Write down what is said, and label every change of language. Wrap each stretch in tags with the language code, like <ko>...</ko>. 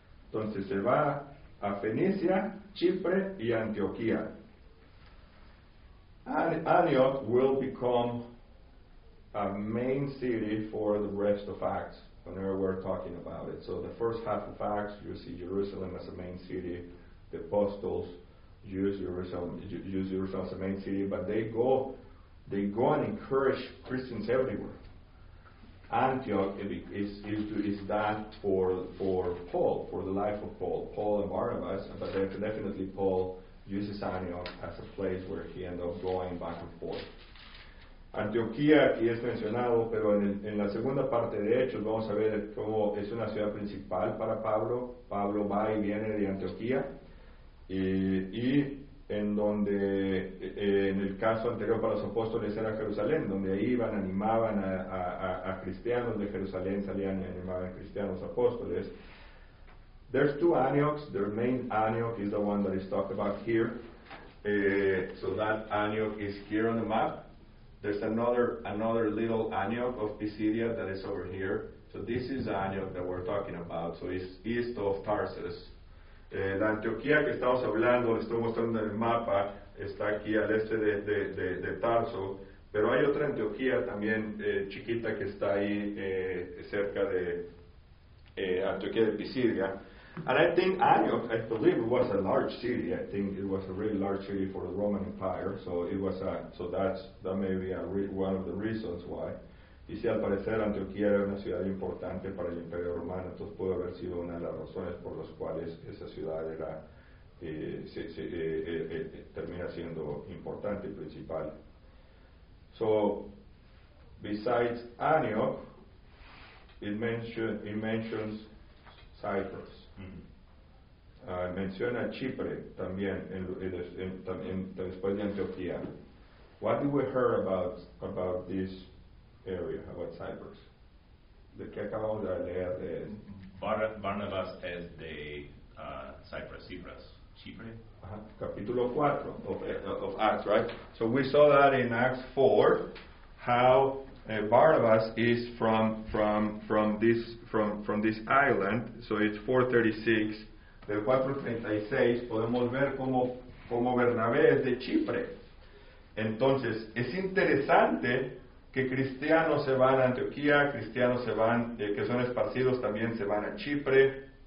<es>Entonces se va a Fenicia, Chipre y Antioquía.</es> <en>Antioch will become a main city for the rest of Acts whenever we're talking about it. So the first half of Acts, you see Jerusalem as a main city. The apostles use Jerusalem as a main city, but they go and encourage Christians everywhere. Antioch is that for Paul, for the life of Paul and Barnabas, but definitely Paul uses Antioch as a place where he ends up going back and forth.</en> <es>Antioquía aquí es mencionado, pero en la segunda parte de Hechos vamos a ver cómo es una ciudad principal para Pablo. Pablo va y viene de Antioquía, y en donde en el caso anterior para los apóstoles era Jerusalén, donde iban, animaban a cristianos de Jerusalén, salían y animaban a cristianos apóstoles.</es> <en>There's two Antiochs. Their main Antioch is the one that is talked about here. So that Antioch is here on the map. There's another little Antioch of Pisidia that is over here. So this is the Antioch that we're talking about. So it's east of Tarsus.</en> <es>La Antioquía que estamos hablando, estoy mostrando en el mapa, está aquí al este de Tarso. Pero hay otra Antioquía también chiquita que está ahí cerca de Antioquía de Pisidia.</es> <en>And I think Antioch, I believe it was a large city. I think it was a really large city for the Roman Empire. So it was a, so that's, that may be a one of the reasons why.</en> <es>Y si al parecer Antioquía era una ciudad importante para el Imperio Romano, entonces puede haber sido una de las razones por las cuales esa ciudad era termina siendo importante y principal.</es> <en>So, besides Antioch, it mentions Cyprus.</en> <es>Menciona Chipre también en después de Antioquía.</es> <en>What did we hear about this area, about Cyprus?</en> <es>¿De qué acabamos de leer de Barnabas es de Cyprus, Chipre? Capítulo</es> <en>4 of Acts, right? So we saw that in Acts 4, how Barnabas is from this island. So it's 4:36.</en> <es>Del 4:36 podemos ver cómo Bernabé es de Chipre. Entonces, es interesante que cristianos se van a Antioquía, cristianos se van, que son esparcidos también se van a Chipre.</es>